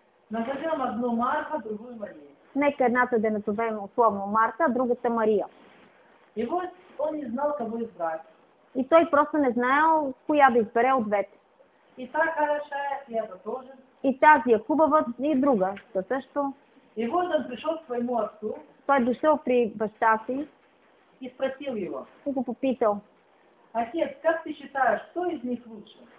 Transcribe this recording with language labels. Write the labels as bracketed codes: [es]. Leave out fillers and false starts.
[ru] Назовем одну Марка, другую Мария. [bg] Нека едната да назовем условно Марка, а другата Мария. [ru] И вот он не знал, кого избрать. [bg] И той просто не знаел, коя да избере от двете. [ru] И та хороша, и это тоже. [bg] И тази е хубава, и друга също. [ru] И вот он пришел к своему отцу. [bg] Той дошъл при баща си. [ru] И спросил его. [bg] И го попитал. [ru] Отец, как ты считаешь, кто из них лучше?